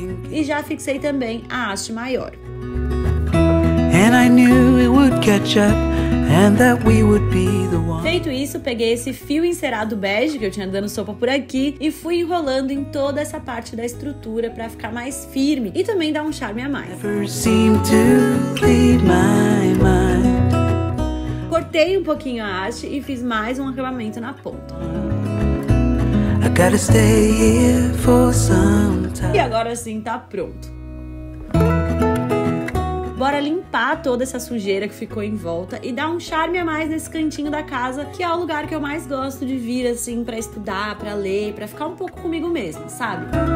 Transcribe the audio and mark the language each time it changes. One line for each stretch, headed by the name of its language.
Portuguese: E já fixei também a haste maior.
English: And I knew it would catch up and that we would be the one.
Portuguese: Feito isso, peguei esse fio encerado bege que eu tinha dando sopa por aqui e fui enrolando em toda essa parte da estrutura pra ficar mais firme e também dar um charme a mais.
English: Never seemed to leave my mind.
Portuguese: Cortei um pouquinho a haste e fiz mais um acabamento na ponta.
English: I gotta stay here for some time.
Portuguese: E agora sim tá pronto. Bora limpar toda essa sujeira que ficou em volta e dar um charme a mais nesse cantinho da casa, que é o lugar que eu mais gosto de vir, assim, pra estudar, pra ler, pra ficar um pouco comigo mesma, sabe?